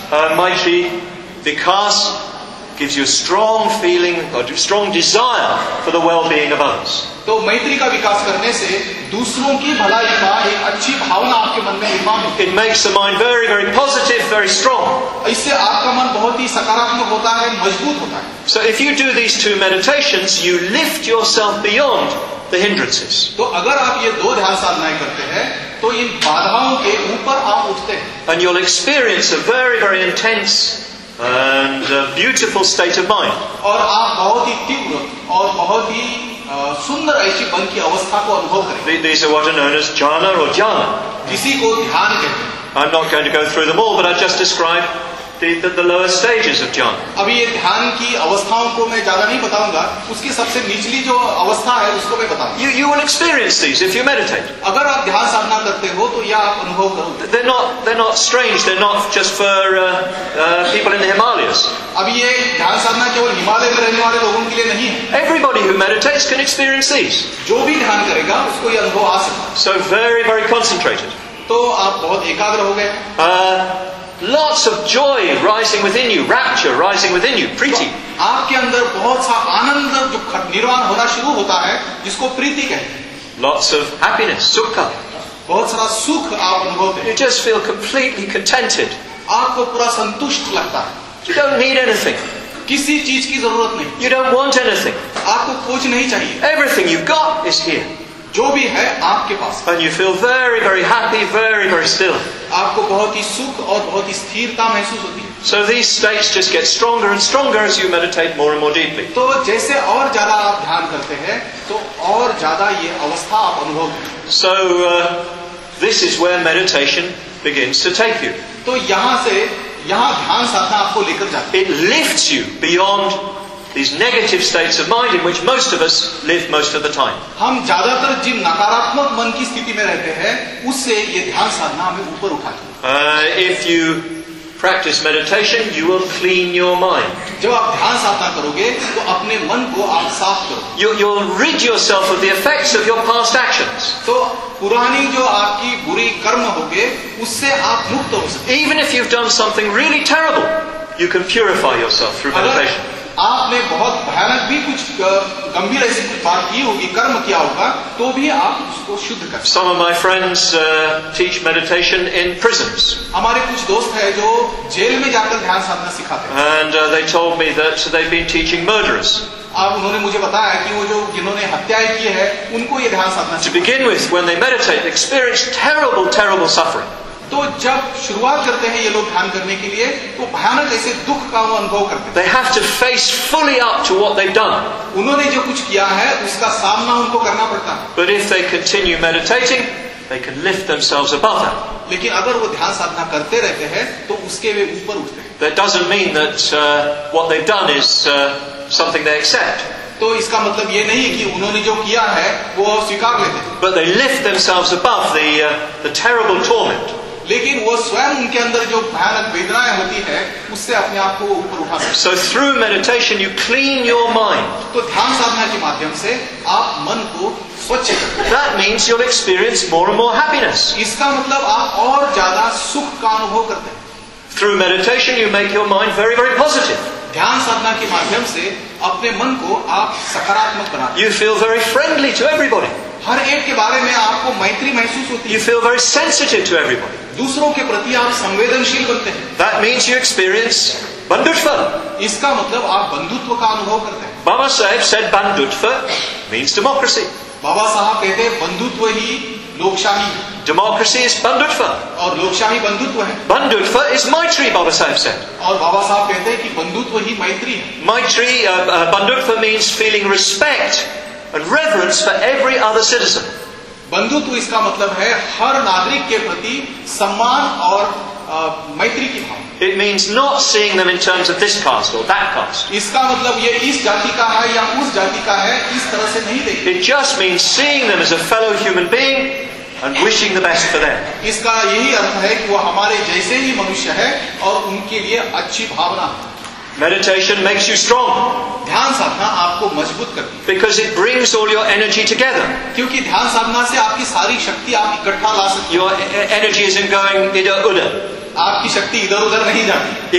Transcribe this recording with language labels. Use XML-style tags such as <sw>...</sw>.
<hi>hain.</hi> <en>Maitri vikas gives you a strong feeling or strong desire for the well-being of others.</en> <hi>तो मैत्री का विकास करने से दूसरों की भलाई का एक अच्छी भावना आपके मन में निर्माण होती है.</hi> <en>It makes the mind very, very positive, very strong.</en> <hi>इससे आपका मन बहुत ही सकारात्मक होता है, मजबूत होता है.</hi> <en>So if you do these two meditations, you lift yourself beyond the hindrances.</en> <hi>तो अगर आप ये दो ध्यान साधनाएं करते हैं तो इन बाधाओं के ऊपर आप उठते हैं.</hi> <en>And you'll experience a very, very intense and a beautiful state of mind.</en> <hi>और आप बहुत ही तीव्र और बहुत ही सुंदर ऐसी मन की अवस्था को अनुभव करें.</hi> <en>These are what are known as jhana or dhyana.</en> <hi>किसी को ध्यान कहते हैं.</hi> <en>I'm not going to go through them all, but I just describe the lower stages of jhana.</en> <hi>अभी ये ध्यान की अवस्थाओं को मैं ज्यादा नहीं बताऊंगा, उसकी सबसे निचली जो अवस्था है उसको मैं बताऊंगा.</hi> <en>You will experience these if you meditate.</en> <hi>अगर आप ध्यान साधना करते हो तो यह आप अनुभव करोगे.</hi> <en>They're not strange, they're not just for people in the Himalayas.</en> <hi>अभी ये ध्यान साधना केवल हिमालय में रहने वाले लोगों के लिए नहीं है.</hi> <en>Everybody who meditates can experience these.</en> <hi>जो भी ध्यान करेगा उसको ये अनुभव आ सकता.</hi> <en>So very, very concentrated.</en> <hi>तो आप बहुत एकाग्र हो गए.</hi> <en>Lots of joy rising within you, rapture rising within you, priti.</en> <hi>आपके अंदर बहुत सा आनंद जो निर्वाण होना शुरू होता है जिसको प्रीति कहते हैं.</hi> <en>Lots of happiness, sukha.</en> <hi>बहुत सारा सुख आप अनुभवते हैं.</hi> <en>You just feel completely contented.</en> <hi>आपको पूरा संतुष्ट लगता है.</hi> <en>You don't need anything.</en> <hi>किसी चीज की जरूरत नहीं.</hi> <en>You don't want anything.</en> <hi>आपको कुछ नहीं चाहिए.</hi> <en>Everything you've got is here.</en> <hi>जो भी है आपके पास.</hi> <en>And you feel very, very happy, very, very still.</en> <hi>आपको बहुत ही सुख और बहुत ही स्थिरता महसूस होती है.</hi> <en>So these states just get stronger and stronger as you meditate more and more deeply.</en> <hi>तो जैसे और ज्यादा आप ध्यान करते हैं तो और ज्यादा ये अवस्था आप अनुभव करते हैं.</hi> <en>So this is where meditation begins to take you.</en> <hi>तो यहाँ से यहाँ ध्यान साधना आपको लेकर जाती है.</hi> <en>It lifts you beyond these negative states of mind in which most of us live most of the time.</en> <hi>हम ज्यादातर जिन नकारात्मक मन की स्थिति में रहते हैं उससे ये ध्यान साधना हमें ऊपर उठाती है.</hi> <en>If you practice meditation, you will clean your mind.</en> <hi>जब आप ध्यान साधना करोगे तो अपने मन को आप साफ करो.</hi> <en>You'll rid yourself of the effects of your past actions.</en> <hi>तो पुरानी जो आपकी बुरी कर्म होंगे उससे आप मुक्त हो सकते.</hi> <en>Even if you've done something really terrible, you can purify yourself through meditation.</en> <hi>आपने बहुत भयानक भी कुछ गंभीर ऐसी कुछ बात की होगी, कर्म किया होगा, तो भी आप उसको शुद्ध कर.</hi> <en>Some of my friends teach meditation in prisons.</en> <hi>हमारे कुछ दोस्त हैं जो जेल में जाकर ध्यान साधना सिखाते हैं.</hi> <en>And they told me that they've been teaching murderers.</en> <hi>अब उन्होंने मुझे बताया कि वो जो जिन्होंने हत्याएं की है उनको ये ध्यान साधना.</hi> <en>To begin with, when they meditate, they experience terrible, terrible suffering.</en> <hi>तो जब शुरुआत करते हैं ये लोग ध्यान करने के लिए तो भयानक ऐसे दुख का वो अनुभव करते हैं.</hi> <en>They have to face fully up to what they've done.</en> <hi>उन्होंने जो कुछ किया है उसका सामना उनको करना पड़ता है.</hi> <en>But if they continue meditating, they can lift themselves above that.</en> <hi>लेकिन अगर वो ध्यान साधना करते रहते हैं तो उसके वे ऊपर उठते हैं.</hi> <en>That doesn't mean that what they've done is something they accept.</en> <hi>तो इसका मतलब ये नहीं कि उन्होंने जो किया है वो स्वीकार लेते.</hi> <en>But they lift themselves above the terrible torment.</en> <hi>लेकिन वो स्वयं उनके अंदर जो भयानक वेदनाएं होती है उससे अपने आप को ऊपर उठा सकते.</hi> <en>So through meditation you clean your mind.</en> <hi>तो ध्यान साधना के माध्यम से आप मन को स्वच्छ करते.</hi> <en>That means you'll experience more and more happiness.</en> <hi>इसका मतलब आप और ज्यादा सुख का अनुभव करते हैं.</hi> <en>Through meditation you make your mind very, very positive.</en> <hi>ध्यान साधना के माध्यम से अपने मन को आप सकारात्मक बनाते.</hi> <en>You feel very friendly to everybody.</en> <hi>हर एक के बारे में आपको मैत्री महसूस होती है.</hi> <en>You feel very sensitive to everybody.</en> <hi>दूसरों के प्रति आप संवेदनशील बनते हैं.</hi> <en>That means you experience bandhutva.</en> <hi>इसका मतलब आप बंधुत्व का अनुभव करते हैं.</hi> <en>Baba Sahib said bandhutva means democracy.</en> <hi>बाबा साहब कहते हैं बंधुत्व ही लोकशाही.</hi> <en>Democracy is bandhutva.</en> <hi>और लोकशाही बंधुत्व है.</hi> <en>Bandhutva is maitri, Baba Sahib said.</en> <hi>और बाबा साहब कहते हैं कि बंधुत्व ही मैत्री है.</hi> <en>Maitri, bandhutva means feeling respect and reverence for every other citizen.</en> <hi>बंधुत्व इसका मतलब है हर नागरिक के प्रति सम्मान और मैत्री की भावना.</hi> <en>It means not seeing them in terms of this caste or that caste.</en> <hi>इसका मतलब ये इस जाति का है या उस जाति का है, इस तरह से नहीं देखते.</hi> <en>It just means seeing them as a fellow human being and wishing the best for them.</en> <hi>इसका यही अर्थ है कि वो हमारे जैसे ही मनुष्य है और उनके लिए अच्छी भावना.</hi> <en>Meditation makes you strong.</en> <hi>ध्यान साधना आपको मजबूत करती है.</hi> <en>Because it brings all your energy together.</en> <hi>क्योंकि ध्यान साधना से आपकी सारी शक्ति आप इकट्ठा ला सकते.</hi> <en>Your energy isn't going either</en> <hi>उधर. आपकी शक्ति इधर उधर नहीं जाती.</hi>